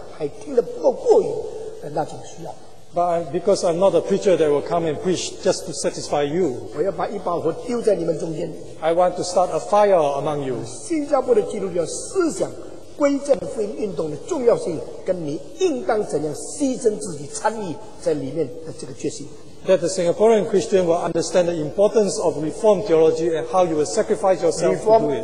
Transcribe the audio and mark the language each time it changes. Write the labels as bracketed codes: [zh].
[zh] 因为我不会是长期供应你们每个礼拜讲一篇道给你听，使你满满足，因为你们听到还听得不够过瘾的那种需要。 [en] But because I'm not a preacher that will come and preach just to satisfy you. [zh] 我要把一把火丢在你们中间。 [en] I want to start a fire among you. [zh] 新加坡的基督教思想。 [en] That the Singaporean Christian will understand the importance of Reform theology and how you will sacrifice yourself to do it.